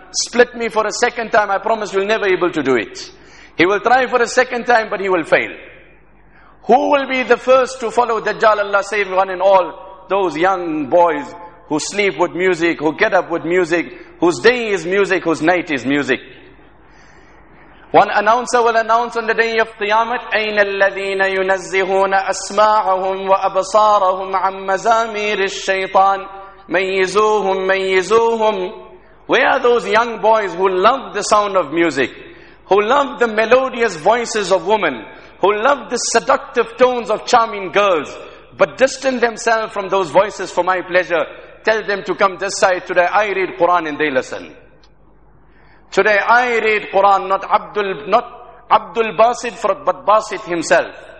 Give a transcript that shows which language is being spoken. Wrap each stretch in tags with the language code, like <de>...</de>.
<en>Split me for a second time, I promise you'll never be able to do it. He will try for a second time, but he will fail. Who will be the first to follow Dajjal? Allah save one and all. Those young boys who sleep with music, who get up with music, whose day is music, whose night is music. One announcer will announce on the day of Qiyamah,</en> <ar>أَيْنَ الَّذِينَ يُنَزِّهُونَ أَسْمَاعَهُمْ وَأَبْصَارَهُمْ عَمَّ مَزَامِيرِ الشَّيْطَانِ مَيِّزُوهُمْ مَيِّزُوهُمْ.</ar> <en>Where are those young boys who love the sound of music, who love the melodious voices of women, who love the seductive tones of charming girls, but distance themselves from those voices for my pleasure? Tell them to come this side. Today I read Quran and they listen. Today I read Quran, not Abdul Basit, but Basit himself.</en>